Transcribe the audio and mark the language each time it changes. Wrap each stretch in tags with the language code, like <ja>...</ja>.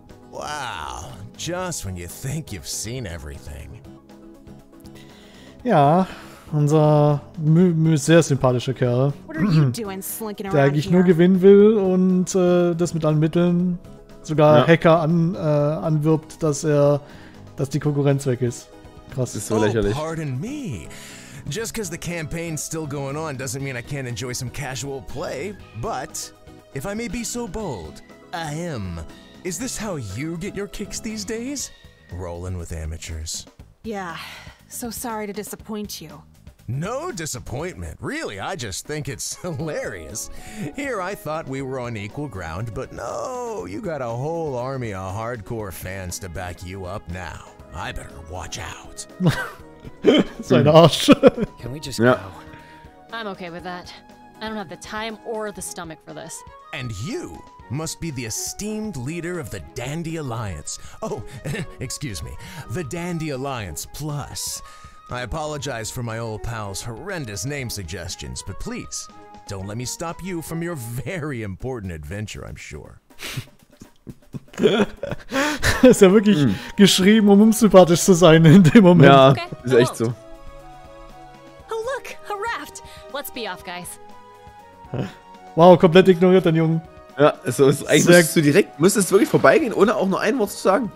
<en>Wow, just when you think you've seen everything.</en> <de>Ja. Unser sehr sympathischer Kerl, der eigentlich nur gewinnen will und das mit allen Mitteln sogar Hacker anwirbt, dass die Konkurrenz weg ist. Krass. Ist so lächerlich.</de> <en>Oh, pardon me. Just because the campaign's still going on doesn't mean I can't enjoy some casual play. But if I may be so bold, ahem, is this how you get your kicks these days? Rolling with amateurs. Yeah, so sorry to disappoint you. No disappointment. Really, I just think it's hilarious. Here, I thought we were on equal ground, but no, you got a whole army of hardcore fans to back you up now. I better watch out.</en> <de>Sein Arsch.</de> <en>Can we just go? I'm okay with that. I don't have the time or the stomach for this. And you must be the esteemed leader of the Dandy Alliance. Oh, excuse me. The Dandy Alliance Plus. I apologize for my old pal's horrendous name suggestions, but please, don't let me stop you from your very important adventure, I'm sure.</en> <de>Ist ja wirklich geschrieben, um unsympathisch zu sein in dem Moment. Ja, okay, ist echt so.</de> <en>Oh, look, a raft. Let's be off, guys.</en> <de>Wow, komplett ignoriert, den Jungen. Ja, also ist eigentlich so direkt. Müsstest du wirklich vorbeigehen, ohne auch nur ein Wort zu sagen?</de>